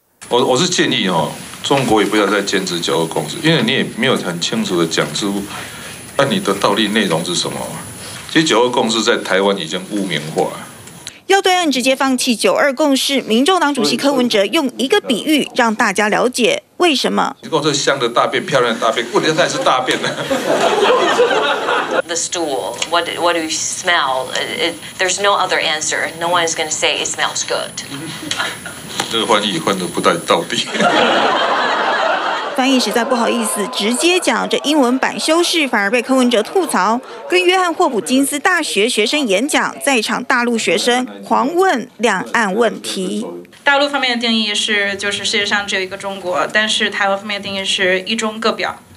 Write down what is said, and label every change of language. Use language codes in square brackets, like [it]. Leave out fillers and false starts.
[zh] 我是建议哦，中国也不要再坚持九二共识，因为你也没有很清楚的讲出按你的道理内容是什么。其实九二共识在台湾已经污名化了。要对岸直接放弃九二共识，民众党主席柯文哲用一个比喻让大家了解为什么。你跟我说香的大便，漂亮的大便，问题还是大便呢。 [en] The stool, what do you smell? There's no other answer. No one is going to say it smells good. [zh] 这个翻译翻得不太到底。翻译实在不好意思，直接讲这英文版修饰反而被柯文哲吐槽。跟约翰霍普金斯大学学生演讲，在场大陆学生狂问两岸问题。大陆方面的定义是，就是世界上只有一个中国，但是台湾方面的定义是一中各表。